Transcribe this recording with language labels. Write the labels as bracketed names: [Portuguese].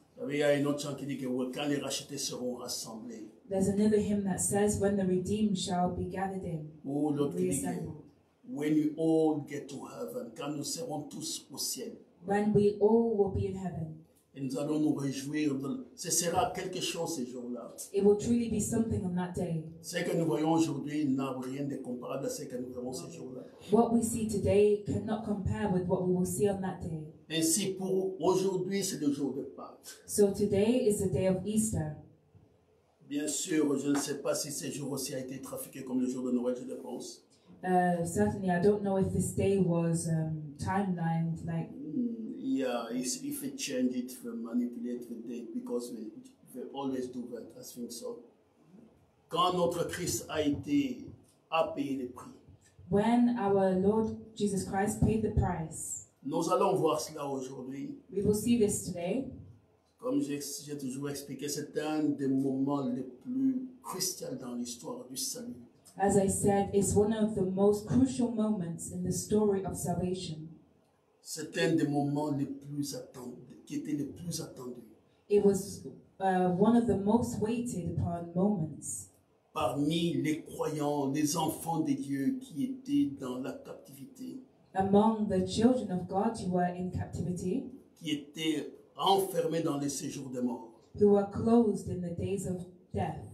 [French] Il y a un autre chant qui dit que quand les rachetés seront rassemblés. [English] There's another hymn that says when the redeemed shall be gathered in. [French] Ou l'autre qui dit que [English] when we all get to heaven, [French] quand nous serons tous au ciel. [English] When we all will be in heaven. [French] Et nous allons nous réjouir. Ce sera quelque chose ce jour-là. [English] It will truly be something on that day. [French] Ce que nous voyons aujourd'hui n'a rien de comparable à ce que nous verrons ce jour-là. [English] What we see today cannot compare with what we will see on that day. [French] Ainsi pour aujourd'hui, c'est le jour de Pâques. [English] So today is the day of Easter. [French] Bien sûr, je ne sais pas si ce jour aussi a été trafiqué comme le jour de Noël, je le pense. [English] Certainly, I don't know if this day was timelined like. Yeah, if it changed it from manipulate the date because we always do that, I think so. [French] Quand notre Christ a été a payé le prix. [English] When our Lord Jesus Christ paid the price. [French] Nous allons voir cela aujourd'hui. [English] We will see this today. [French] Comme j'ai toujours expliqué, c'est un des moments les plus cruciaux dans l'histoire du salut. [English] As I said, it's one of the most crucial moments in the story of salvation. [French] C'est un des moments les plus attendus, qui était les plus attendus. [English] It was one of the most waited upon moments. [French] Parmi les croyants, les enfants de Dieu qui étaient dans la captivité. [English] Among the children of God who were in captivity. [French] Qui étaient enfermés dans les séjours de mort. [English] Who were closed in the days of death.